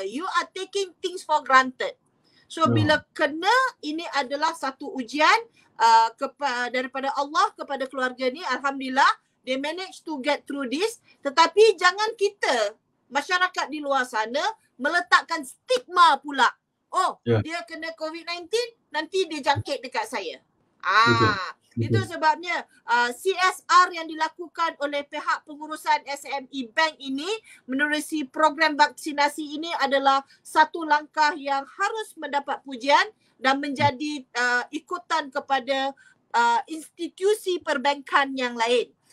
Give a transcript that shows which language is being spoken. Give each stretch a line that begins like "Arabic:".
English: You are taking things for granted.
Malay: So bila kena, ini adalah satu ujian daripada Allah kepada keluarga ni.
English: Alhamdulillah they manage to get through this.
Malay: Tetapi jangan kita masyarakat di luar sana meletakkan stigma pula. Dia kena COVID-19, nanti dia jangkit dekat saya. Itu sebabnya CSR yang dilakukan oleh pihak pengurusan SME Bank ini menerusi program vaksinasi ini adalah satu langkah yang harus mendapat pujian dan menjadi ikutan kepada institusi perbankan yang lain.